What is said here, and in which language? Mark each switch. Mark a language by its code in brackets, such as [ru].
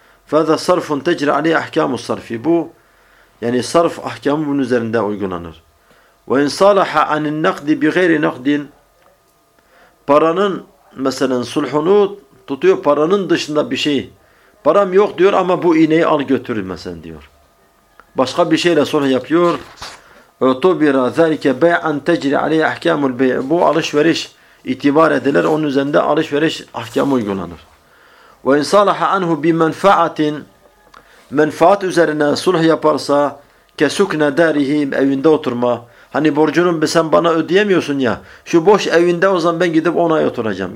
[ar] فَذَا صَرْفٌ تَجْرِ عَلَيْهِ اَحْكَامُ الصَّرْفِ [tr] Bu, yani sarf ahkamı bunun üzerinde uygulanır. [ar] وَاِنْ صَالَحَ عَنِ النَّقْدِ بِغَيْرِ نَقْدٍ [tr] Paranın mesela sulhunu tutuyor paranın dışında bir şey. Param yok diyor ama bu iğneyi al götür mesela diyor. Başka bir şeyle sulh yapıyor. [ar] اَتُبِرَ ذَلِكَ بَيْعًا تَجْرِ عَلَيْهِ اَحْكَامُ الْبَيْعِ [tr] Bu alışveriş itibar edilir. Onun üzerinde alışveriş ahkamı uygulanır. [ar] وَاِنْ صَالَحَ عَنْهُ بِمَنْفَعَةٍ [tr] Menfaat üzerine sulh yaparsa [ar] كَسُكْنَ دَارِهِ [tr] Evinde oturma. Hani borcunu sen bana ödeyemiyorsun ya. Şu boş evinde o zaman ben gidip ona oturacağım.